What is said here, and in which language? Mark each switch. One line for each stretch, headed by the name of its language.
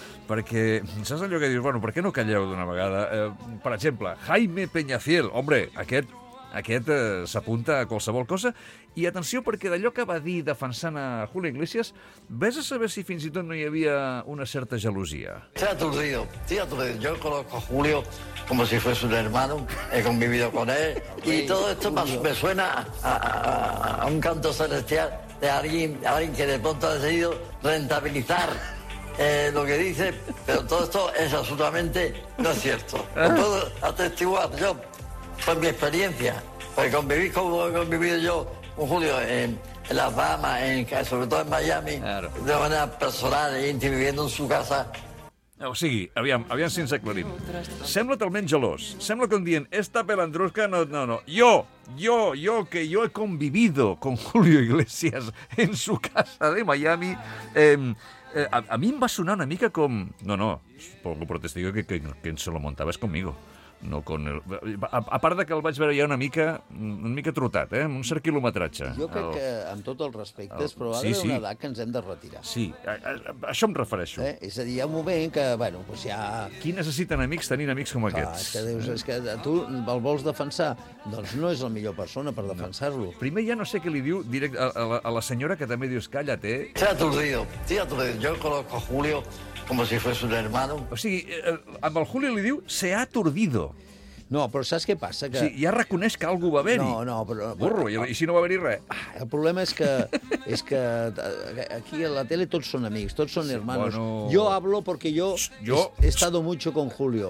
Catalan: Perquè saps allò que dius? Bueno, per què no calleu d'una vegada? Per exemple, Jaime Peñafiel, hombre, aquest s'apunta a qualsevol cosa. I atenció, perquè d'allò que va dir defensant a Julio Iglesias, vés a saber si fins i tot no hi havia una certa gelosia.
Spanish: Tira tu río. Yo conozco a Julio como si fuese un hermano. He convivido con él. Y todo esto me suena a un canto celestial de alguien que de pronto ha decidido rentabilizar lo que dice. Pero todo esto es absolutamente no es cierto. Lo puedo atestiguar yo. Fue mi experiencia, porque conviví como he convivido yo con Julio en Las Bahamas, sobre todo en Miami, de manera personal, íntima, viviendo en su casa.
Catalan: O sigui, aviam si ens aclarim. Sembla talment gelós. Sembla com dient,
Spanish: esta pelandrusca...
Catalan: No. Jo, que jo
Spanish: he convivido con Julio Iglesias en su casa de Miami...
Catalan: A mi em va sonar una mica com...
Spanish: No, pongo por testigo que se lo montabas conmigo. No con el...
Catalan: A part de que el vaig veure ja una mica trotat, amb un cert quilometratge. Jo crec que, amb tot el respecte, és probable una edat que ens hem de retirar. Sí, a això em refereixo. És a dir, hi ha un moment que, bueno, doncs ja... Qui necessiten amics tenint amics com aquests? Clar, és que tu el vols defensar, doncs no és la millor persona per defensar-lo. No. Primer ja no sé què li diu directe a la senyora, que també dius, calla't.
Spanish: Tira tu el río, yo conozco a Julio. Como si fuese un hermano.
Catalan: O sigui, amb el Julio li diu
Spanish: se ha aturdido.
Catalan: No, però saps què passa? Que... Sí, ja reconeix que algú va haver-hi. No, no, però... Burro, però... i si no va haver-hi res? El problema és que, és que aquí a la tele tots són amics, tots són hermanos.
Spanish: Bueno... Yo hablo porque yo, he estado mucho con Julio.